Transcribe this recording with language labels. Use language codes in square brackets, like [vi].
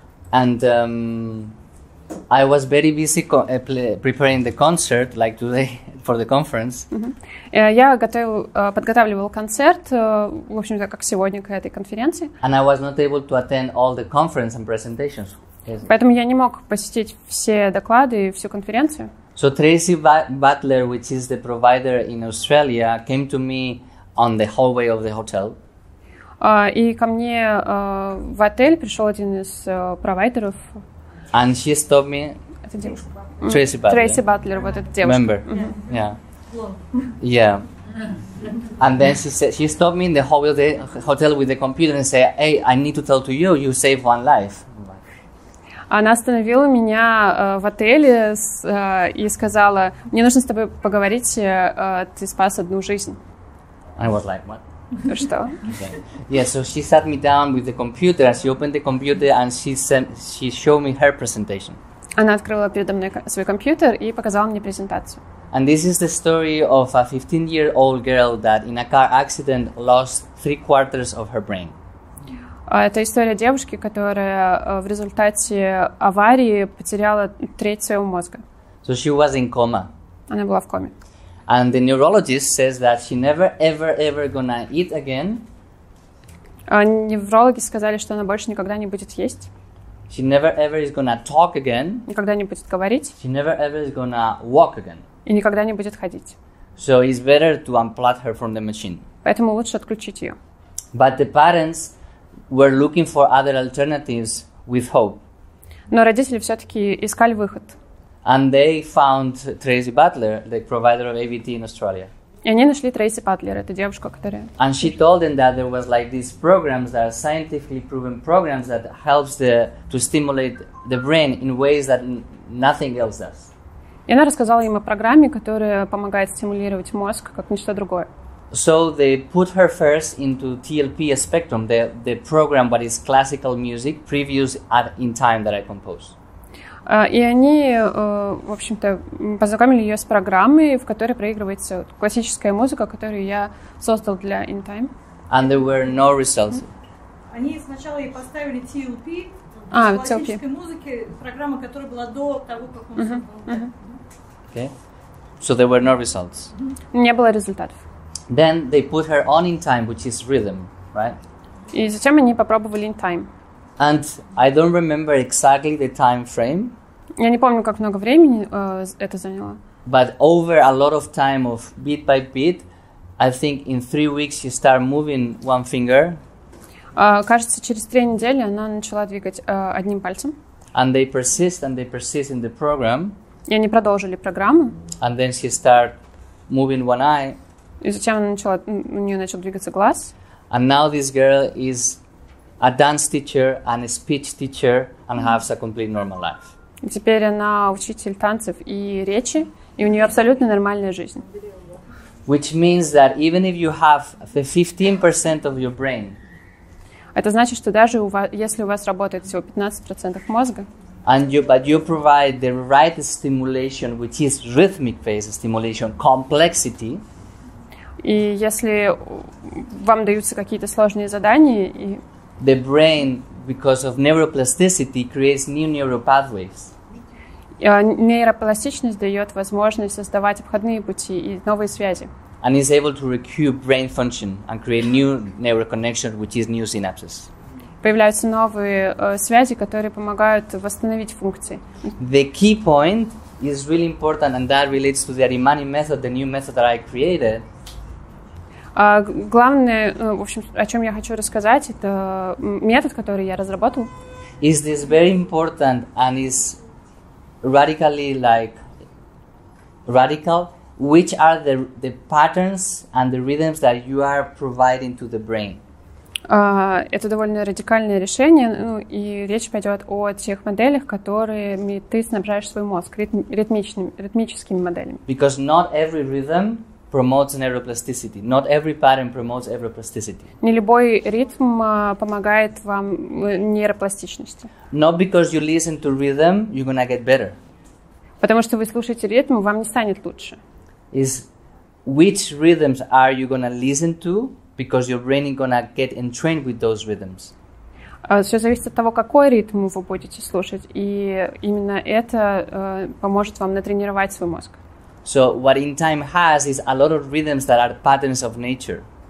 [en] And I was very busy preparing the concert, like today, for the conference. [ru] Я подготавливал концерт, в общем-то, как сегодня, к этой конференции. [en] And I was not able to attend all the conference and presentations. [ru] Поэтому я не мог посетить все доклады и всю конференцию. [en] So Tracy Butler, which is the provider in Australia, came to me on the hallway of the hotel. [ru] И ко мне в отель пришел один из провайдеров. [en] And she stopped me. Tracy Butler. [ru] Tracy Butler, вот эта девушка. [en] Remember? Mm-hmm. Yeah. Yeah. And then she stopped me in the hallway of the hotel with the computer and said, "Hey, I need to tell to you. You saved one life." [ru] Она остановила меня в отеле и сказала, мне нужно с тобой поговорить, ты спас одну жизнь. [en] I was like, what? [ru] Что? [en] Yeah, so she sat me down with the computer, and she opened the computer, and she showed me her presentation. [ru] Она открыла передо мной свой компьютер и показала мне презентацию. [en] And this is the story of a 15-year-old girl that in a car accident lost 3/4 of her brain. [ru] Это история девушки, которая в результате аварии потеряла треть своего мозга. [en] So she was in coma. [ru] Она была в коме. [en] And the neurologist says that she never, ever, ever gonna eat again. [ru] Неврологи сказали, что она больше никогда не будет есть. [en] She never, ever is gonna talk again. [ru] Никогда не будет говорить. [en] She never, ever is gonna walk again. [ru] И никогда не будет ходить. [en] So it's better to unplug her from the machine. [ru] Поэтому лучше отключить ее. [en] But the parents... We're looking for other alternatives with hope. [ru] Но родители все-таки искали выход. [en] And they found Tracy Butler, the provider of AVT in Australia. [ru] И они нашли Трейси Батлер, эту девушку, которая... [en] And she told them that there was like these programs that are scientifically proven programs that helps the, to stimulate the brain in ways that nothing else does. [ru] И она рассказала им о программе, которая помогает стимулировать мозг, как ничто другое. [en] So they put her first into TLP spectrum, the program that is classical music, previews at, in time that I compose. [ru] И они, в общем-то, познакомили ее с программой, в которой проигрывается классическая музыка, которую я создал для In Time. [en] And there were no results. [ru] Они сначала ей поставили TLP, классической музыки, программа, которая была до того, как он создал. [en] Okay. So there were no results. [ru] Не было результатов. [en] Then they put her on In Time, which is rhythm, right? [ru] И затем они попробовали In Time. [en] And I don't remember exactly the time frame. [ru] Я не помню, как много времени это заняло. [en] But over a lot of time of beat by beat, I think in 3 weeks she start moving one finger. [ru] Кажется, через 3 недели она начала двигать одним пальцем. [en] And they persist and they persist in the program. [ru] И они продолжили программу. [en] And then she start moving one eye. [ru] И затем она начала, у нее начал двигаться глаз. [en] And now this girl is a dance teacher and a speech teacher and has a complete normal life. [ru] Теперь она учитель танцев и речи, и у нее абсолютно нормальная жизнь. [en] Which means that even if you have the 15% of your brain. [ru] Это значит, что даже у вас, если у вас работает всего 15% мозга. [en] And you, but you provide the right stimulation, which is rhythmic phase stimulation, complexity. [ru] И если вам даются какие-то сложные задания и [en] the brain, because of neuroplasticity, creates new neural pathways. [ru] Нейропластичность дает возможность создавать обходные пути и новые связи. [en] And is able to recoup brain function and create new neural connections, which is new synapses. [ru] Появляются новые связи, которые помогают восстановить функции. [en] The key point is really important, and that relates to the Arimany method, the new method that I created. [ru] Главное, в общем, о чем я хочу рассказать, это метод, который я разработал. [en] Is this very important and is radically like radical? Which are the patterns and the rhythms that you are providing to the brain? [ru] Это довольно радикальное решение, ну, и речь пойдет о тех моделях, которыми ты снабжаешь свой мозг, ритмическими моделями. [en] Because not every rhythm promotes neuroplasticity. Not every pattern promotes neuroplasticity. [ru] Не любой ритм помогает вам нейропластичности. [en] Not because you listen to rhythm, you're gonna get better. [ru] Потому что вы слушаете ритм, вам не станет лучше. [en] Is which rhythms are you gonna listen to? Because your brain is gonna get entrained with those rhythms. [ru] Все зависит от того, какой ритм вы будете слушать, и именно это поможет вам натренировать свой мозг. [en] So what In Time has is a lot of rhythms that are patterns of nature.